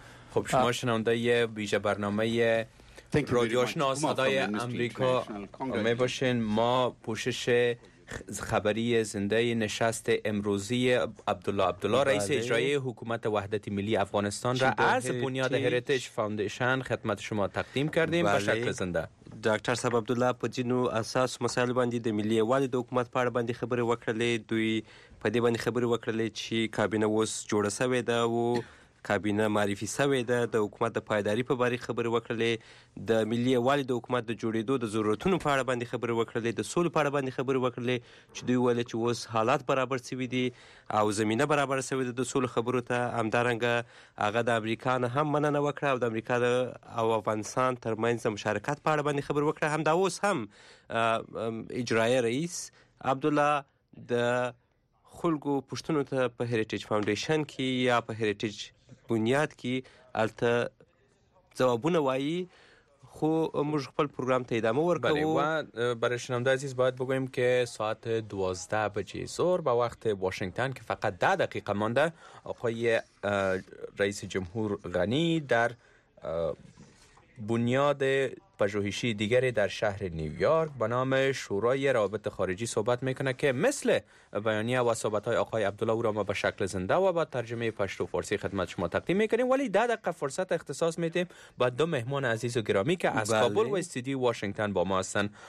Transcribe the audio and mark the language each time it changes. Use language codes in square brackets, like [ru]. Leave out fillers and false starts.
[fa] خب شما شنونده ویژه برنامه رادیو آشنا صدای امریکا می باشین ما پوشش خبری زنده نشست امروزی عبدالله رئیس اجرایی حکومت وحدت ملی افغانستان را از بنیاد هریتیج فاندیشن خدمت شما تقدیم کردیم به شکل زنده [ps] ډاکټر صاحب عبدالله په جنو اساس مسایل باندې د ملي والد حکومت په اړه باندې خبرې وکړلې. دوی په دې باندې خبرې وکړلې چې کابینه اوس جوړه شوې ده او کابینه معرفي شوې ده. د حکومت د پایداری په اړه خبرې وکړلې. د ملي والد حکومت د جوړېدو د ضرورتونو په اړه باندې خبرې وکړلې. د سول په اړه باندې خبرې وکړلې چې دوی ویل چې اوس حالات برابر شوی دي او زمينه برابر شوی ده د سول خبرو ته. همدارنګ هغه د امریکا نه هم مننه وکړه او د امریکا او افغانستان ترمنځ مشارکت په اړه باندې خبرې وکړه. هم دا اوس هم اجرایی رئیس عبدالله د خلکو پښتنو ته په هریټیج فاونډیشن کې یا په هریټیج بنیاد کې الته ځوابونه وایي. خو موږ خپل پروګرام ته ادامه ورکړو. [fa] برای شنونده عزیز باید بگویم که ساعت 12 بجې زور به وخت واشنگتن که فقط 10 دقیقه مانده، آقای رئیس جمهور غنی در بنیاد پژوهشی دیگری در شهر نیویورک به نام شورای روابط خارجی صحبت میکنه که مثل بیانیه و صحبت های آقای عبدالله او را ما به شکل زنده و با ترجمه پشتو فارسی خدمت شما تقدیم میکنیم، ولی 10 دقیقه فرصت اختصاص میدیم با دو مهمان عزیز و گرامی که از کابل و استودیو واشنگتن با ما هستند.